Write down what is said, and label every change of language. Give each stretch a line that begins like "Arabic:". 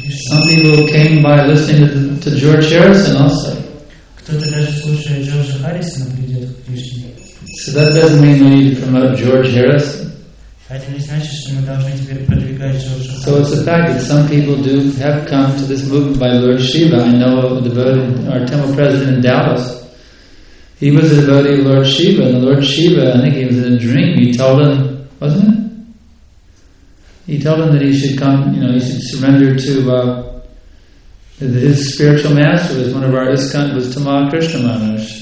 English: some people came by listening to George Harrison also.
Russian: Кто-то даже слушает Джорджа Харрисона, придет к Кришне.
English: So that doesn't mean we need to promote George Harrison.
Russian: Это не значит, что мы должны теперь продвигать Джорджа Харрисона.
English: So it's a fact that some people do have come to this movement by Lord Shiva. I know a devotee, our temple president in Dallas. He was a devotee of Lord Shiva, and Lord Shiva, I think he was in a dream, he told him, wasn't it? He told him that he should come, you know, he should surrender to his spiritual master was one of our ISKCON, was Tamal Krishna Maharaj.